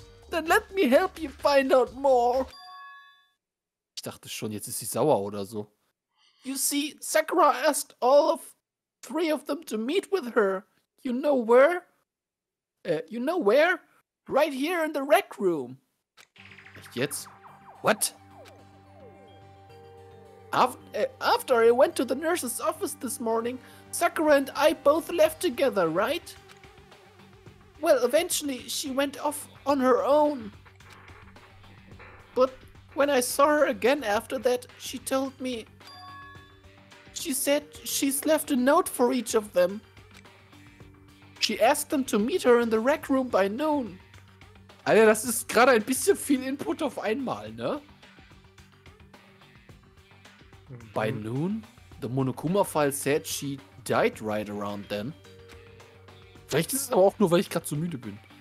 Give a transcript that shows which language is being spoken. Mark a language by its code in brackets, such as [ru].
[en] Then let me help you find out more. [de] Ich dachte schon, jetzt ist sie sauer oder so. [en] You see, Sakura asked all of three of them to meet with her. You know where? You know where? Right here in the rec room. Echt jetzt? What? After I went to the nurse's office this morning, Sakura and I both left together, right? Well, eventually she went off on her own. But when I saw her again after that, she told me... She said she's left a note for each of them. She asked them to meet her in the rec room by noon. [de] Alter, das ist gerade ein bisschen viel Input auf einmal, ne? [en] By noon, the Monokuma file said she died right around then. [de] Vielleicht ist es aber auch nur, weil ich gerade so müde bin.